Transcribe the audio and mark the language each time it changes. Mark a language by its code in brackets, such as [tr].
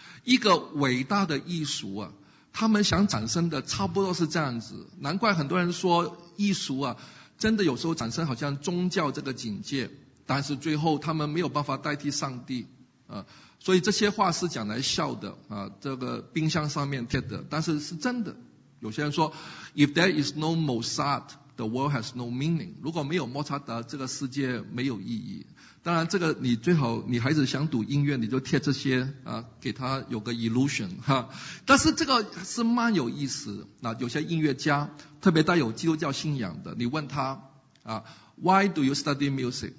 [zh] 一个伟大的艺术啊，他们想产生的差不多是这样子。难怪很多人说艺术啊，真的有时候产生好像宗教这个境界，但是最后他们没有办法代替上帝啊。所以这些话是讲来笑的啊，这个冰箱上面贴的，但是是真的有些人说 [en] If there is no Mozart, the world has no meaning. [zh] 如果没有莫扎特，这个世界没有意义。当然这个你最好你孩子想读音乐你就贴这些啊，给他有个 illusion 哈。但是这个是蛮有意思，那有些音乐家特别带有基督教信仰的，你问他啊， [en] Why do you study music?